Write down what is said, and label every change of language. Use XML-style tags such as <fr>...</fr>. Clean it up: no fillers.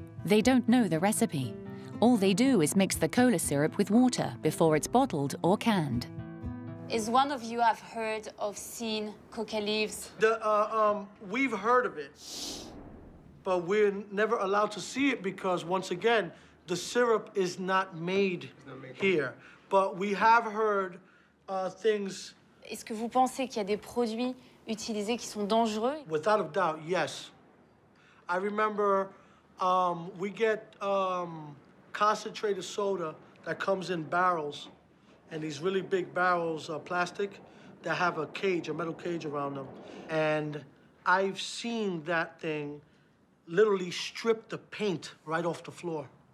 <en>They don't know the recipe. All they do is mix the cola syrup with water before it's bottled or canned. Is one of you have heard of seen coca leaves? We've heard of it. But we're never allowed to see it because, once again, the syrup is not made here. But we have heard things.</en> <fr>Est-ce que vous pensez qu'il y a des produits utilisés qui sont dangereux?</fr> <en>Without a doubt, yes. I remember we get concentrated soda that comes in barrels, and these really big barrels are plastic that have a cage, a metal cage around them. And I've seen that thing literally strip the paint right off the floor.</en>